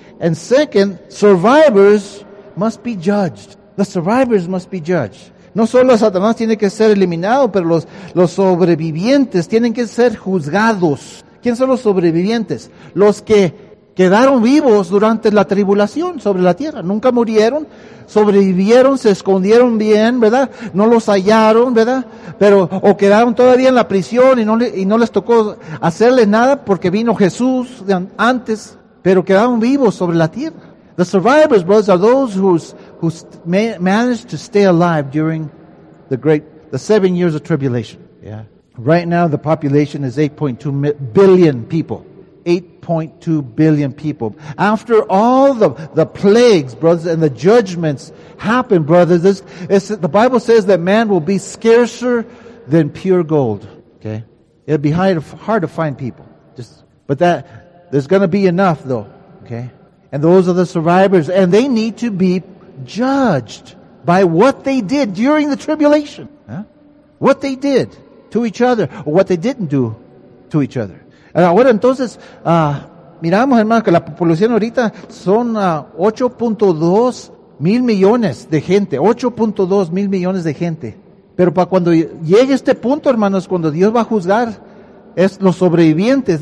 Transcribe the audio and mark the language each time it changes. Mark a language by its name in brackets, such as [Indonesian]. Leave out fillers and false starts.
[English] And second, survivors must be judged. The survivors must be judged. [Spanish] No solo Satanás tiene que ser eliminado, pero los sobrevivientes tienen que ser juzgados. ¿Quiénes son los sobrevivientes? Los que quedaron vivos durante la tribulación sobre la tierra. Nunca murieron, sobrevivieron, se escondieron bien, ¿verdad? No los hallaron, ¿verdad? Pero o quedaron todavía en la prisión y no les tocó hacerles nada porque vino Jesús antes, pero quedaron vivos sobre la tierra. [English] The survivors, brothers, are those who managed to stay alive during the 7 years of tribulation. Yeah. Right now, the population is 8.2 billion people. 8.2 billion people. After all the plagues, brothers, and the judgments happen, brothers, the Bible says that man will be scarcer than pure gold. Okay? It'll be hard to find people. But there's going to be enough, though. Okay? And those are the survivors. And they need to be judged by what they did during the tribulation. Huh? What they did to each other, or what they didn't do to each other. [Spanish] Ahora entonces, miramos hermanos que la población ahorita son 8.2 mil millones de gente, 8.2 mil millones de gente. Pero para cuando llegue este punto, hermanos, cuando Dios va a juzgar, es los sobrevivientes.